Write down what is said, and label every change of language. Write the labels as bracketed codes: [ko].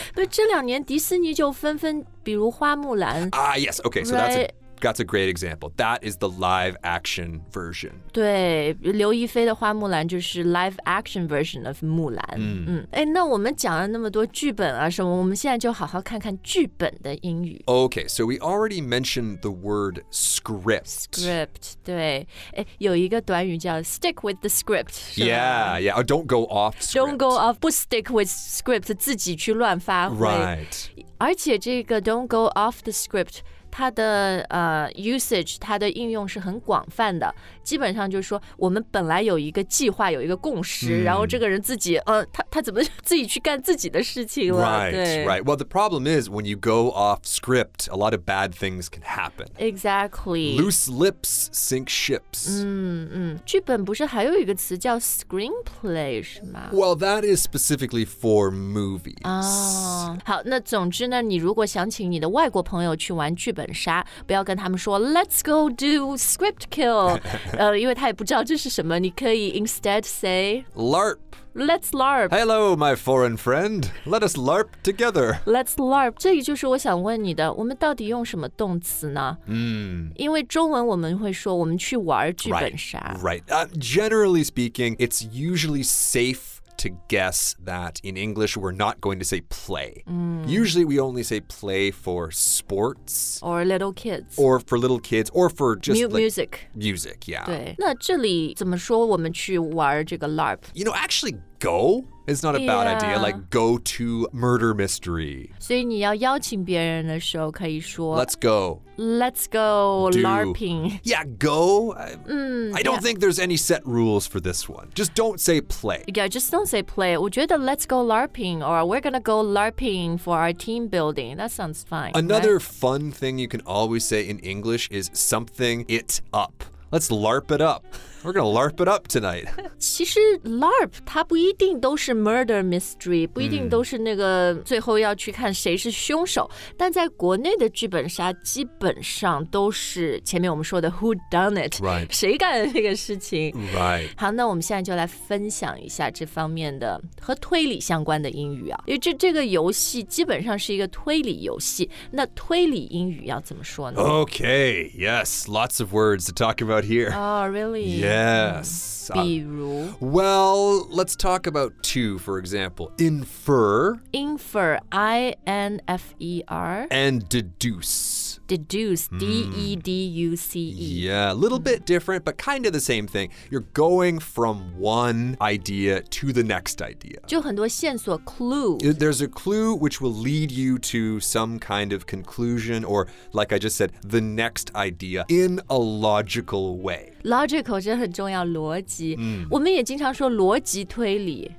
[zh] 不是这两年迪士尼就纷纷，比如花木兰。 [en] Yes. Okay. So that's a great example. That is the live action version. [zh] 对，刘亦菲的花木兰就是 [en] live action version of [zh] 木兰。哎，那我们讲了那么多剧本啊什么，我们现在就好好看看剧本的英语。 [en] Okay, so we already mentioned the word script. [zh] Script, 对。哎，有一个短语叫 [en] stick with the script. Yeah, or don't go off script. Don't go off, [zh] 不 [en] stick with script, [zh] 自己去乱发挥。 [en] Right. [zh] 而且这个 [en] don't go off the script, [zh] 它的usage, 它的应用是很广泛的。基本上就是说我们本来有一个计划有一个共识、然后这个人自己他怎么自己去干自己的事情了 [en] Right. Well, the problem is when you go off script, a lot of bad things can happen. Exactly. Loose lips sink ships. [zh] 剧本不是还有一个词叫 screenplay 是吗 [en] Well, that is specifically for movies.、 [zh] 好那总之呢你如果想请你的外国朋友去玩剧本杀不要跟他们说 [en] Let's go do script kill [zh] 因为他也不知道这是什么你可以 [en] instead say LARP Let's LARP Hello my foreign friend Let us LARP together Let's LARP [zh] 这也就是我想问你的我们到底用什么动词呢、因为中文我们会说我们去玩剧本杀 [en] Right. Generally speaking It's usually safe to guess that in English we're not going to say play. Usually we only say play for sports. Or little kids. Or for little kids, or for just music. Music, yeah. [zh] 对，那这里怎么说我们去玩这个 LARP? [en] You know, actually go is not a bad idea. Like go to murder mystery. [zh] 所以你要邀请别人的时候可以说 [en] Let's go. Let's go LARPing. Yeah, go. I don't think there's any set rules for this one. Just don't say play. Yeah, just don't say play. [zh] 我觉得 [en] let's go LARPing or we're gonna go LARPing for our team building. That sounds fine. Another fun thing you can always say in English is something it up. Let's LARP it up. We're going to LARP it up tonight. [zh] 其实 LARP 它不一定都是 murder mystery, 不一定都是那个最后要去看谁是凶手。但在国内的剧本杀基本上都是前面我们说的 whodunit,、 [en] right. [zh] 谁干的那个事情。 [en] Right. [zh] 好，那我们现在就来分享一下这方面的和推理相关的英语啊。因为这个游戏基本上是一个推理游戏。那推理英语要怎么说呢 [en] ?Okay, yes, lots of words to talk about here. Oh, really?、 Yeah. Yes. [zh] 比如 [en] Well, let's talk about two, for example. Infer. Infer, I-N-F-E-R. And deduce. Deduce, D-E-D-U-C-E. Yeah, a little bit different, but kind of the same thing. You're going from one idea to the next idea. [zh] 就很多线索 clue. [en] There's a clue which will lead you to some kind of conclusion, or like I just said, the next idea in a logical way. Logical. [zh] 这很重要逻辑、我们也经常说逻辑推理